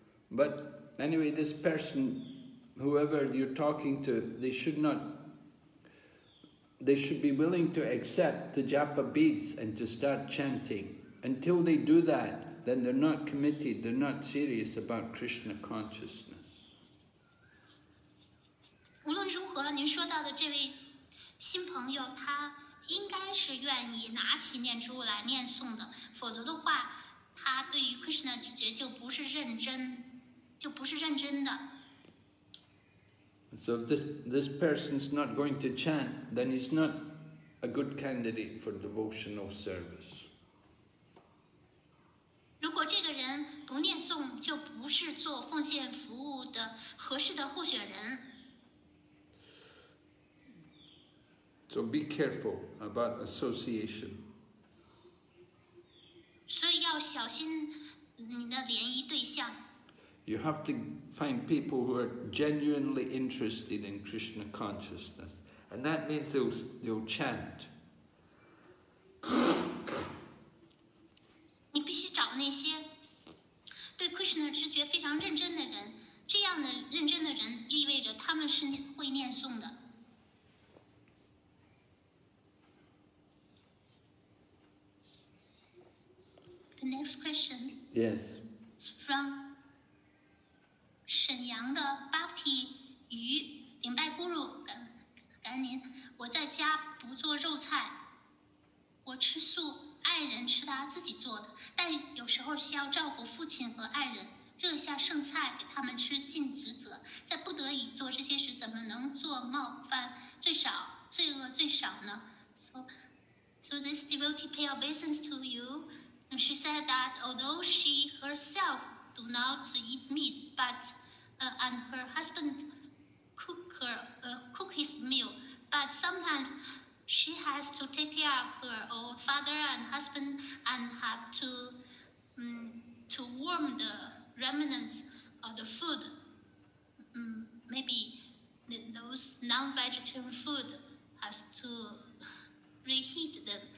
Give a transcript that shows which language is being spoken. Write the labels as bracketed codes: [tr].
[en] But anyway, this person, whoever you're talking to, they should be willing to accept the japa beads and to start chanting. Until they do that, then they're not committed, they're not serious about Krishna consciousness. [zh] 无论如何，您说到的这位新朋友，他应该是愿意拿起念珠来念诵的，否则的话，他对于 Krishna 拒绝就不是认真，就不是认真的。 [en] So if this person's not going to chant, then he's not a good candidate for devotional service. [zh] 如果这个人不念诵，就不是做奉献服务的合适的候选人。 [en] So be careful about association. [zh] 所以要小心你的联谊对象。 [en] You have to find people who are genuinely interested in Krishna consciousness. And that means they'll chant. [zh] 你必须找那些对 Krishna 知觉非常认真的人，这样的认真的人意味着他们是会念诵的。 [en] The next question. Yes. It's from [zh] 沈阳的 Bhakti 鱼领拜 Guru， 感恩您。我在家不做肉菜，我吃素，爱人吃他自己做的，但有时候需要照顾父亲和爱人，热下剩菜给他们吃尽职责。在不得已做这些时，怎么能做冒犯罪恶最少呢？ [en] So this devotee pay obeisance to you. And she said that although she herself do not eat meat, but and her husband cook his meal, but sometimes she has to take care of her old father and husband and have to warm the remnants of the food, maybe those non-vegetarian food has to reheat them.